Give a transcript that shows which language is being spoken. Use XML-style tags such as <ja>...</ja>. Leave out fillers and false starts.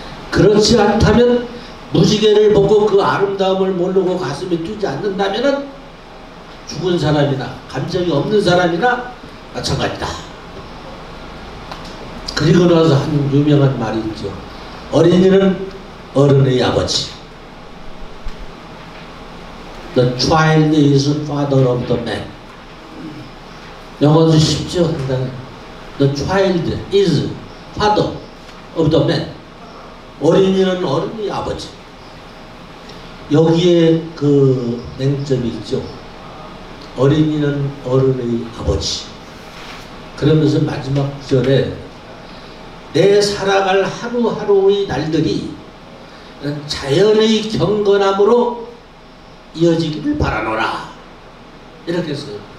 <ko>그렇지 않다면 무지개를 보고 그 아름다움을 모르고 가슴이 뛰지 않는다면 죽은 사람이나 감정이 없는 사람이나 마찬가지다. 그리고 나서 한 유명한 말이 있죠. 어린이는 어른의 아버지.</ko> <en>The child is the father of the man.</en> <ko>영어도 쉽죠.</ko> <en>The child is father of the man.</en> <ko>어린이는 어른의 아버지. 여기에 그 맹점이 있죠. 어린이는 어른의 아버지. 그러면서 마지막 구절에 내 살아갈 하루하루의 날들이 자연의 경건함으로 이어지기를 바라노라 이렇게 했어요.</ko>